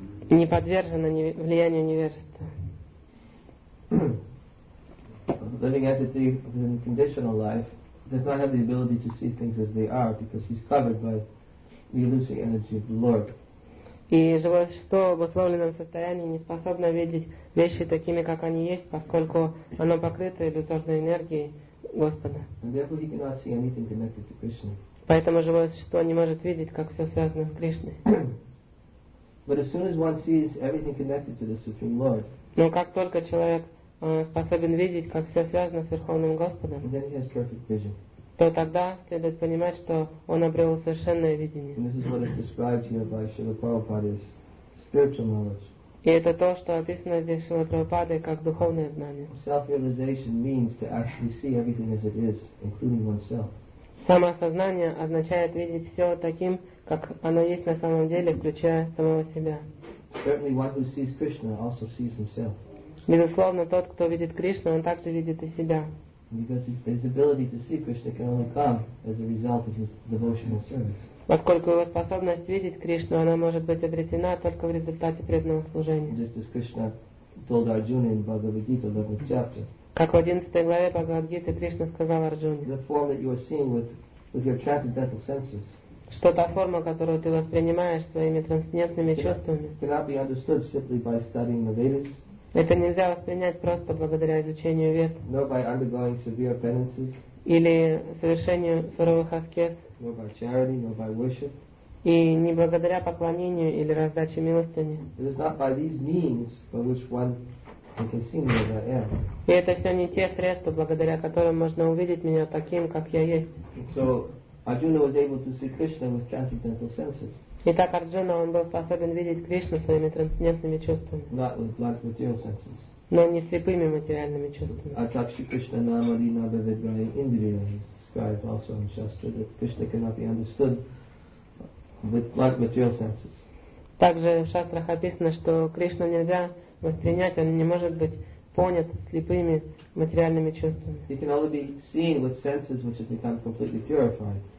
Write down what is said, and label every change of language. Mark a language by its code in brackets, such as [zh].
[ru] и не подвержена влиянию невежества. [en] Living at the conditional life does not have the ability to see things as they are because he's covered by the illusory energy of the Lord. [ru] И живое существо в обусловленном состоянии не способно видеть вещи такими, как они есть, поскольку оно покрыто иллюзорной энергией Господа. [en] And therefore he cannot see anything connected to Krishna. [ru] Поэтому живое существо не может видеть, как все связано с Кришной. [en] But as soon as one sees everything connected to the Supreme Lord, [ru] но как только человек способен видеть, как все связано с Верховным Господом, [en] then he has perfect vision. [ru] То тогда следует понимать, что он обрел совершенное видение. [en] And this is what is described here by Śrīla Prabhupāda as spiritual knowledge. [ru] И это то, что описано здесь Śrīla Prabhupāda как духовное знание. [en] Self-realization means to actually see everything as it is, including oneself. [ru] Самосознание означает видеть все таким, как оно есть на самом деле, включая самого себя. [en] Certainly one who sees Krishna also sees himself. [ru] Безусловно, тот, кто видит Кришну, он также видит и себя. [en] Because his ability to see Krishna can only come as a result of his devotional service. [ru] Поскольку его способность видеть Кришну, она может быть обретена только в результате преданного служения. [en] Just as Krishna told Arjuna in Bhagavad Gita, 11th chapter. [ru] Как в 11 главе Бхагавад Гиты Кришна сказал Арджуне. [en] The form that you are seeing with your transcendental senses. [ru] Что та форма, которую ты воспринимаешь своими трансцендентными чувствами. [en] Cannot be understood simply by studying the Vedas. [ru] Это нельзя воспринять просто благодаря изучению вет. [en] Nor by undergoing severe penances. [ru] Или совершению суровых аскез. [en] Nor by charity, nor by worship. [ru] И не благодаря поклонению или раздаче милостыни. [en] It is not by these means by which one can see me as I am. [ru] И это все не те средства, благодаря которым можно увидеть меня таким, как я есть. [en] So Arjuna was able to see Krishna with transcendental senses. [ru] Итак, Арджуна, он был способен видеть Кришну своими трансцендентными чувствами. [en] Not with blunt material senses. [ru] Но не слепыми материальными чувствами. [sa] Atakshi Krishna namali nabhavidraya indriya. [en] It's described also in Shastra that Krishna cannot be understood with blunt material senses. [ru] Также в шастрах описано, что Кришну нельзя воспринять, он не может быть понят слепыми материальными чувствами. [en] He can only be seen with senses which have become completely purified.